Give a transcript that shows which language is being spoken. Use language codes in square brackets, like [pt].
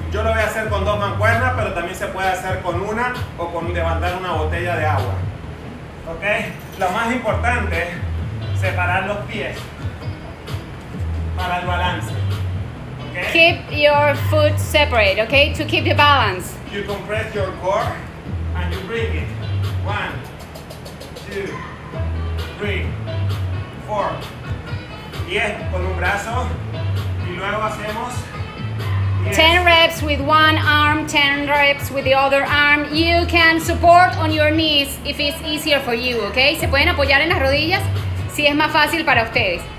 [es] Yo lo voy a hacer con 2 mancuernas, pero también se puede hacer con una o con levantar una botella de agua. Ok, lo más importante, separar los pies para el balance. [en] Okay? Keep your foot separate, ok, to keep the balance. You compress your core and you bring it. 1, 2, 3, 4. [es] Y es con un brazo y luego hacemos [en] 10 reps with one arm, 10 reps with the other arm. You can support on your knees if it's easier for you, okay? [es] Se pueden apoyar en las rodillas si es más fácil para ustedes.